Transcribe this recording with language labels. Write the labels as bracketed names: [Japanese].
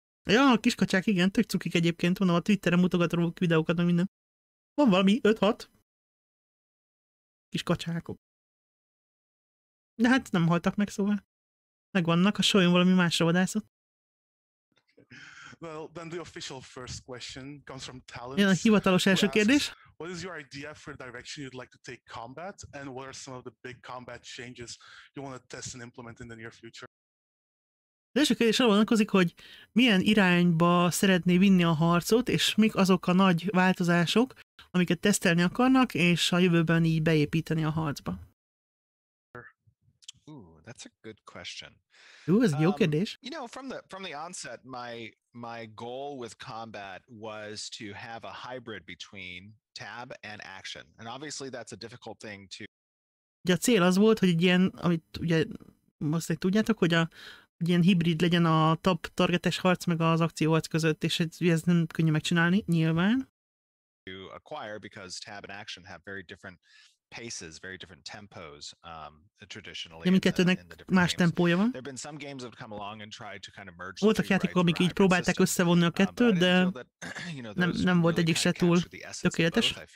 [Hungarian] Ja, a kiskacsák, igen, tök cukik egyébként, mondom, a Twitteren mutogatok videókat, meg minden. Van valami 5-6 kis kacsákok. De hát nem haltak meg, szóval. Megvannak, a sólyom valami másra vadászott. [English] Well, then the official first question comes from Talents. [Hungarian] Igen, a hivatalos első kérdés. [English] What is your idea for direction you'd like to take combat, and what are some of the big combat changes you want to test and implement in the near future? [Hungarian] Az első kérdés arra vonatkozik, hogy milyen irányba szeretné vinni a harcot, és mik azok a nagy változások, amiket tesztelni akarnak, és a jövőben így beépíteni a harcba. [English] Ooh, that's a good question. [Hungarian] Ez egy jó kérdés. [English] You know, from the onset, my goal with combat was to have a hybrid between tab and action. And obviously that's a difficult thing to... [Hungarian] Ugye a cél az volt, hogy ilyen, amit ugye most egy tudjátok, hogy egy ilyen hibrid legyen a tab targetes harc meg az akcióharc között, és ez nem könnyű megcsinálni, nyilván. [English] To acquire, because tab and action have very different paces, very different tempos traditionally. [Hungarian] De mindkettőnek más tempója van. [English] There've been some games that have come along and tried to kind of merge. [Hungarian] Voltak játékok, amik így próbálták összevonni a kettőt, de nem volt egyik se túl tökéletes.